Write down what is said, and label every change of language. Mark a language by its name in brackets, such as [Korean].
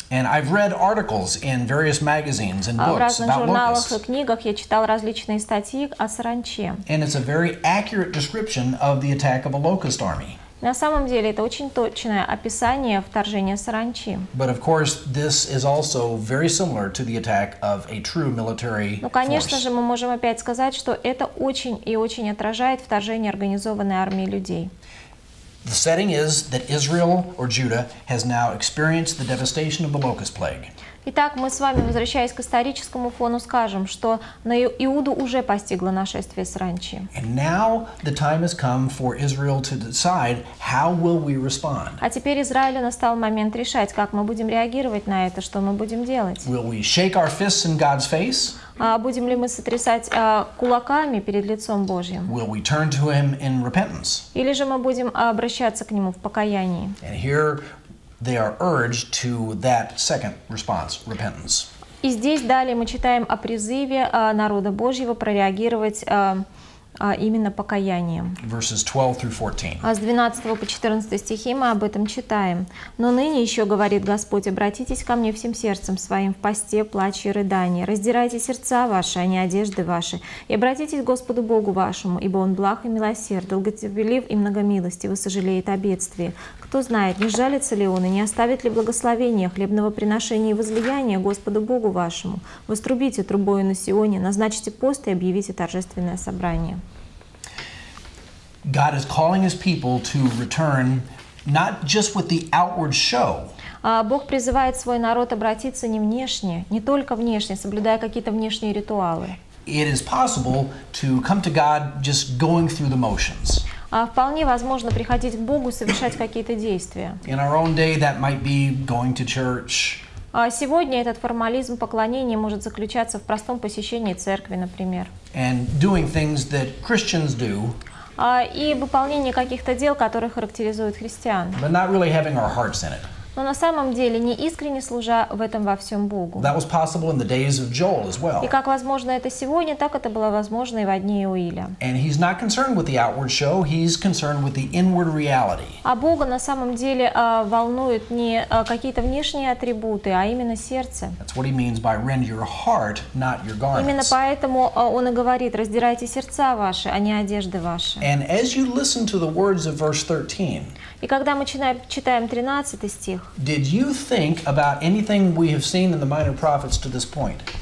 [English] And I've read articles in various magazines and books about locusts. [Russian] В разных журналах и книгах я читал различные статьи о саранче. [English] And it's a very accurate description of the attack of a locust army. [Russian] На самом деле, это очень точное описание вторжения саранчи. [English] But of course, this is also very similar to the attack of a true military force. [Russian] Ну, конечно же, мы можем опять сказать, что это очень и очень отражает вторжение организованной армии людей. [English] The setting is that Israel or Judah has now experienced the devastation of the locust plague. [Russian] Итак, мы с вами, возвращаясь к историческому фону, скажем, что на Иуду уже постигло нашествие саранчи. [English] And now the time has come for Israel to decide how will we respond. [Russian] А теперь Израилю настал момент решать, как мы будем реагировать на это, что мы будем делать. [English] Will we shake our fists in God's face? [Russian] Будем ли мы сотрясать кулаками перед лицом Божьим? [English] Will we turn to him in repentance? [Russian] Или же мы будем обращаться к нему в покаянии? [English] And here they are urged to that second response, repentance. [Russian] И здесь далее мы читаем о призыве народа Божьего прореагировать именно покаянием. [English] Verses 12 through 14. [Russian] С 12 по 14 стихи мы об этом читаем. «Но ныне еще, говорит Господь, обратитесь ко мне всем сердцем своим в посте, плаче и рыдании. Раздирайте сердца ваши, а не одежды ваши, и обратитесь к Господу Богу вашему, ибо Он благ и милосерд, долготерпелив и многомилостив, и сожалеет о бедствии». Кто знает, не жалится ли он и не оставит ли благословения, хлебного приношения и возлияния Господу Богу вашему. Вострубите трубою на Сионе, назначите пост и объявите торжественное собрание. [English] God is calling his people to return not just with the outward show. [Russian] Бог призывает свой народ обратиться не внешне, не только внешне, соблюдая какие-то внешние ритуалы. [English] It is possible to come to God just going through the motions. [Russian] Вполне возможно приходить к Богу, совершать какие-то действия. [English] In our own day, that might be going to church. [Russian] Сегодня этот формализм поклонения может заключаться в простом посещении церкви, например. [English] And doing things that Christians do. [Russian] И выполнение каких-то дел, которые характеризуют христиан. [English] But not really having our hearts in it. [Russian] Но на самом деле не искренне служа в этом во всем Богу. [English] That was possible in the days of Joel as well. [Russian] И как возможно это сегодня, так это было возможно и во дни Иоиля. [English] And he's not concerned with the outward show, he's concerned with the inward reality. [Russian] А Бога на самом деле волнуют не какие-то внешние атрибуты, а именно сердце. [English] That's what he means by rend your heart, not your garments. [Russian] Именно поэтому он и говорит: раздирайте сердца ваши, а не одежды ваши. [English] And as you listen to the words of verse 13. [Russian] И когда мы читаем 13 стих, [English] did you think about anything we have seen in the minor prophets to this point?